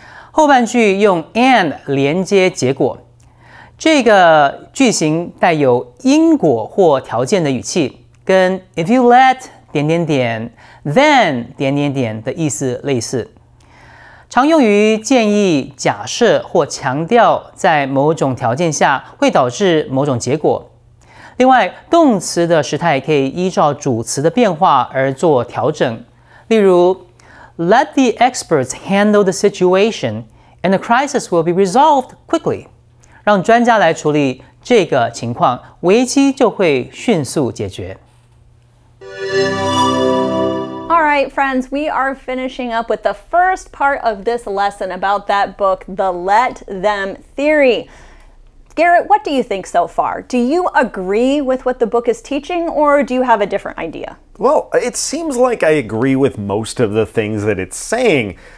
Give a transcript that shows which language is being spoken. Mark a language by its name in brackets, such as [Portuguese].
[Chinese] 后半句用 and 连接结果。这个句型带有因果或条件的语气，跟 [English] if you let [Chinese] 点点点 then 点点点的意思类似。常用于建议、假设或强调在某种条件下会导致某种结果。另外，动词的时态可以依照主词的变化而做调整。例如 [English] ,Let the experts handle the situation and the crisis will be resolved quickly. [Chinese] 让专家来处理这个情况，危机就会迅速解决。 [English] Alright, friends, we are finishing up with the first part of this lesson about that book, The Let Them Theory. Garrett, what do you think so far? Do you agree with what the book is teaching, or do you have a different idea? Well, it seems like I agree with most of the things that it's saying.